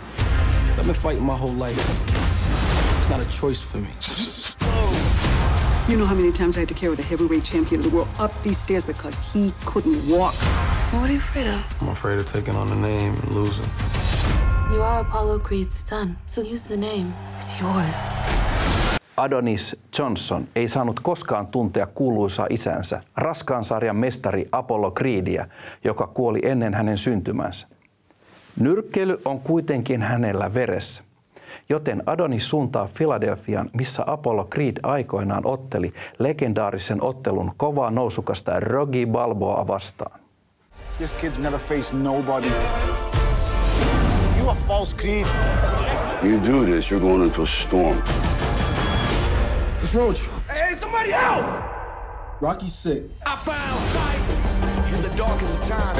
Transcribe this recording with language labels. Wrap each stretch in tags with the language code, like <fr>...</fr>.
<en>I've been fighting my whole life. It's not a choice for me. You know how many times I had to carry the heavyweight champion of the world up these stairs because he couldn't walk. What are you afraid of? I'm afraid of taking on the name and losing. You are Apollo Creed's son, so use the name. It's yours.</en> <fi>Adonis Johnson ei saanut koskaan tuntea kuuluisaa isänsä, raskaan sarjan mestari Apollo Creedia, joka kuoli ennen hänen syntymänsä. Nyrkkeily on kuitenkin hänellä veressä, joten Adonis suuntaa Philadelphiaan, missä Apollo Creed aikoinaan otteli legendaarisen ottelun kovaa nousukasta Rocky Balboa vastaan.</fi> <en>This kid's never faced nobody. You a false Creed. You do this, you're going into a storm. What's wrong with you? Hey, somebody help! Rocky's sick. I found life in the darkest of times.</en>